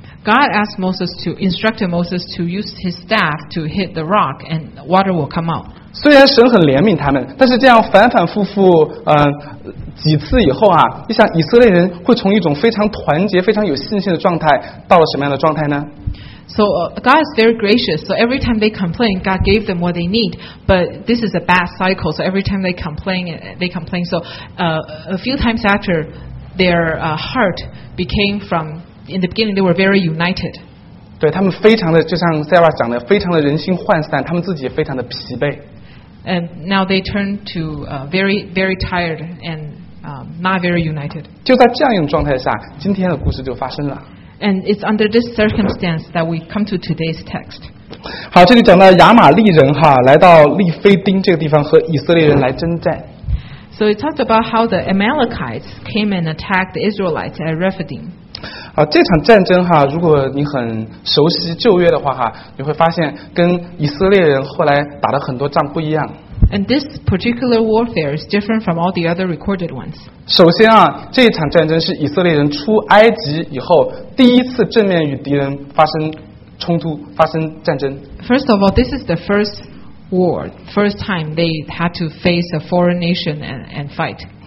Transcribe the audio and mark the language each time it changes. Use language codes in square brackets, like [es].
[en] God asked Moses to instructed Moses to use his staff to hit the rock, and water will come out. [zh] 虽然神很怜悯他们，但是这样反反复复，几次以后啊，你想以色列人会从一种非常团结、非常有信心的状态，到了什么样的状态呢？ [en] So God is very gracious. So every time they complain, God gave them what they need. But this is a bad cycle. So every time they complain. So a few times after, their heart became from. In the beginning, they were very united. [zh] 对他们非常的，就像 Sarah 讲的，非常的人心涣散，他们自己也非常的疲惫。 [en] And now they turn to very, very tired and not very united. [zh] 就在这样一种状态下，今天的故事就发生了。 [en] And it's under this circumstance that we come to today's text. [zh] 好，这里讲到亚玛利人哈，来到利非丁这个地方和以色列人来征战。 [en] So it talks about how the Amalekites came and attacked the Israelites at Rephidim. [zh] 这场战争哈，如果你很熟悉旧约的话哈，你会发现跟以色列人后来打的很多仗不一样。 [en] And this particular warfare is different from all the other recorded ones. [zh] 首先啊，这场战争是以色列人出埃及以后第一次正面与敌人发生冲突，发生战争。 [en] First of all, this is the first. War, first time they had to face a foreign nation and fight.